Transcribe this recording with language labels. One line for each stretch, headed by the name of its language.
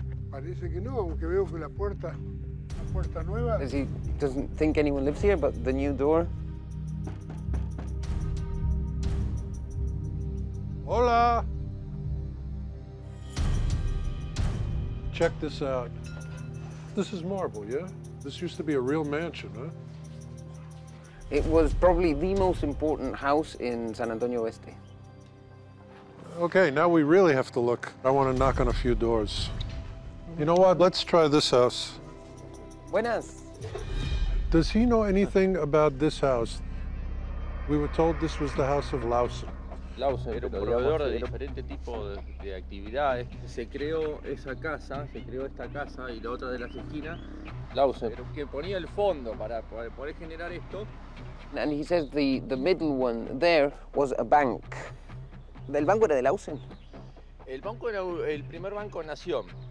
Spanish: Parece que no, aunque veo que la puerta.
English: As he doesn't think anyone lives here, but the new door.
Spanish: Hola.
English: Check this out. This is marble, yeah? This used to be a real mansion, huh? It was probably the most important house in San Antonio Este. Okay, now we really have to look. I want to knock on a few doors. You know what? Let's try this house.
Spanish: Buenas.
English: Does he know anything about this house? We were told this was the house of Lausen.
Spanish: Lausen era un proveedor de diferentes tipos de actividades. Se creó esa casa, se creó esta casa y la otra de las esquinas. Lausen. Pero que ponía el fondo para poder generar esto.
English: And he says the middle one there was a bank.
Spanish: ¿El banco era de Lausen? El banco era el primer banco de Nación.